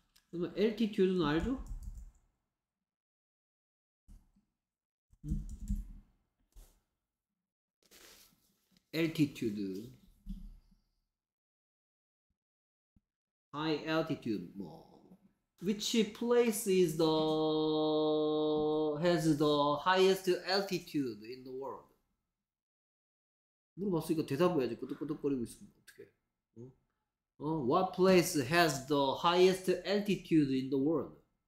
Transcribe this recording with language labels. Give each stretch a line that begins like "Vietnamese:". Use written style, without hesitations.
Korean: 그러면 altitude는 알죠? 엘티튜드 하이 엘티튜드 뭐
English: Which place is the has the highest altitude in the world?
Korean: 물어봤으니까 대답을 해야지. 끄덕끄덕거리고 있으면 어떡해.
English: What place has the highest altitude in the world?